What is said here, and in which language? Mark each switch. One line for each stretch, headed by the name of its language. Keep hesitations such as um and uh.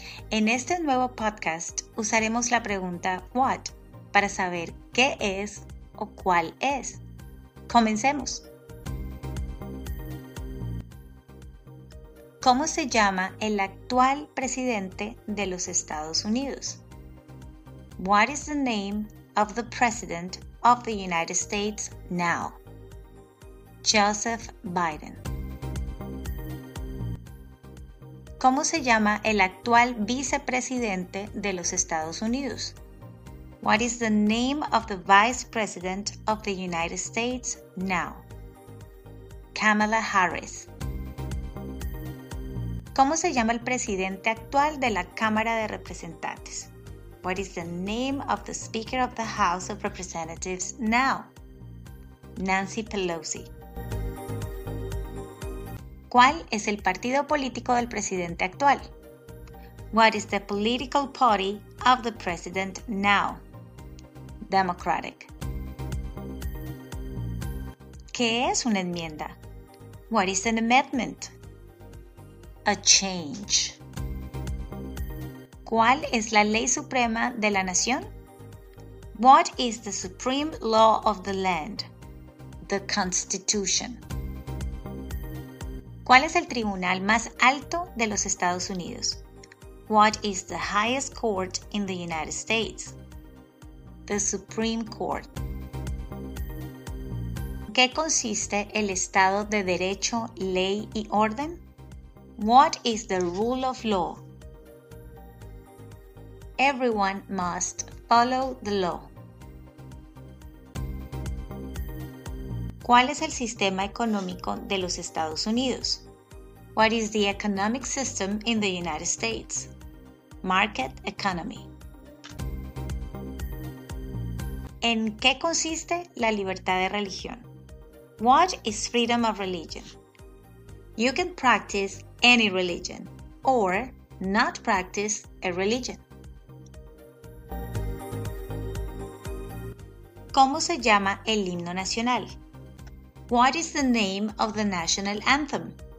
Spanish: En este nuevo podcast usaremos la pregunta what para saber qué es o cuál es. Comencemos. ¿Cómo se llama el actual presidente de los Estados Unidos?
English: What is the name of the President of the United States now? Joseph Biden.
Spanish: ¿Cómo se llama el actual vicepresidente de los Estados Unidos?
English: What is the name of the Vice President of the United States now? Kamala Harris.
Spanish: ¿Cómo se llama el presidente actual de la Cámara de Representantes?
English: What is the name of the Speaker of the House of Representatives now? Nancy Pelosi.
Spanish: ¿Cuál es el partido político del presidente actual?
English: What is the political party of the president now? Democratic.
Spanish: ¿Qué es una enmienda?
English: What is an amendment? A change.
Spanish: ¿Cuál es la ley suprema de la nación?
English: What is the supreme law of the land? The Constitution.
Spanish: ¿Cuál es el tribunal más alto de los Estados Unidos?
English: What is the highest court in the United States? The Supreme Court.
Spanish: ¿En ¿Qué consiste el Estado de Derecho, Ley y Orden?
English: What is the rule of law? Everyone must follow the law.
Spanish: ¿Cuál es el sistema económico de los Estados Unidos?
English: What is the economic system in the United States? Market economy.
Spanish: ¿En qué consiste la libertad de religión?
English: What is freedom of religion? You can practice any religion or not practice a religion.
Spanish: ¿Cómo se llama el himno nacional?
English: What is the name of the national anthem?